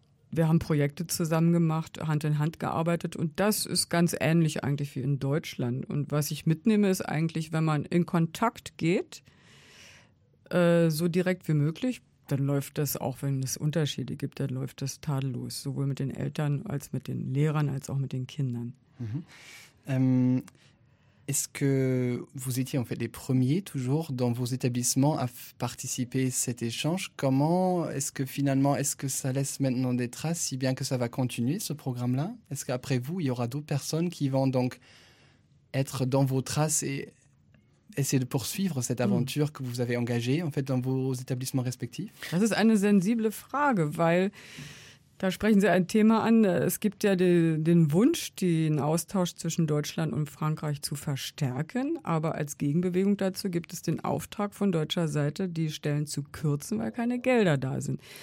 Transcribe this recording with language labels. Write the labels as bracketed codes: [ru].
[de] Wir haben Projekte zusammen gemacht, Hand in Hand gearbeitet und das ist ganz ähnlich eigentlich wie in Deutschland. Und was ich mitnehme, ist eigentlich, wenn man in Kontakt geht, so direkt wie möglich, dann läuft das, auch wenn es Unterschiede gibt, dann läuft das tadellos, sowohl mit den Eltern als mit den Lehrern als auch mit den Kindern. Mhm. [fr] Est-ce que vous étiez en fait les premiers toujours dans vos établissements à participer à cet échange? Comment est-ce que finalement, est-ce que ça laisse maintenant des traces, si bien que ça va continuer ce programme-là? Est-ce qu'après vous, il y aura d'autres personnes qui vont donc être dans vos traces et essayer de poursuivre cette aventure que vous avez engagée en fait dans vos établissements respectifs? [de] Das ist eine sensible Frage, weil da sprechen Sie ein Thema an. Es gibt ja den Wunsch, den Austausch zwischen Deutschland und Frankreich zu verstärken. Aber als Gegenbewegung dazu gibt es den Auftrag von deutscher Seite, die Stellen zu kürzen, weil keine Gelder da sind.